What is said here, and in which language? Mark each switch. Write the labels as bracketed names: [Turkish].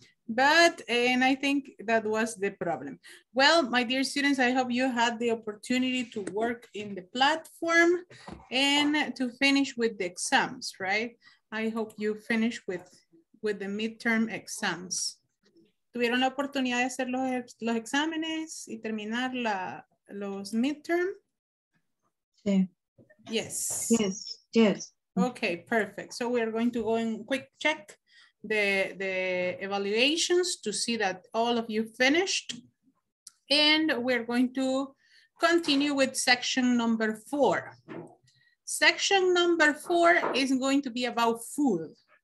[English] But, and I think that was the problem. Well, my dear students, I hope you had the opportunity to work in the platform and to finish with the exams, right? I hope you finish with the midterm exams. [Spanish] ¿Tuvieron la oportunidad de hacer los exámenes y terminar los midterm? Sí. [English] Yes. Yes, yes. Okay, perfect. So we are going to go and quick check the evaluations to see that all of you finished. And we're going to continue with section number four. Section number four is going to be about food.